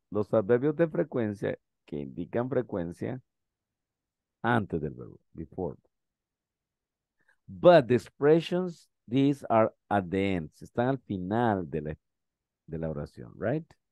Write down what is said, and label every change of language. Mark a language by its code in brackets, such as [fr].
[es] Los adverbios de frecuencia que indican frecuencia antes del verbo, [en] before. But the expressions, these are at the end. [es] Si están al final de la oración, right?